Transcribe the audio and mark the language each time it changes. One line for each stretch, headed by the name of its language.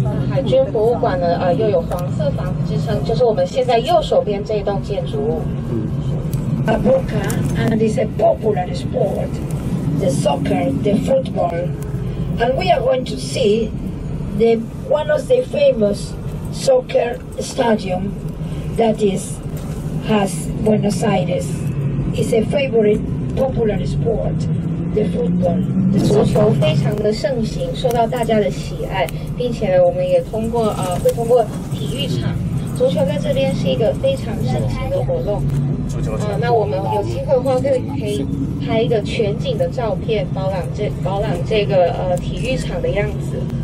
Chinese: 海军博物馆呢，又有黄色房子之称，就是我们现在右手边这一栋建筑物。
English: A Boca and it's a popular sport, the soccer, the football, and we are going to see the one of the famous. Soccer stadium that is has Buenos Aires is a favorite popular sport, the football.
Chinese: 足球非常的盛行，受到大家的喜爱，并且呢，我们也通过会通过体育场，足球在这边是一个非常盛行的活动。那我们有机会的话，可以拍一个全景的照片，饱览这个体育场的样子。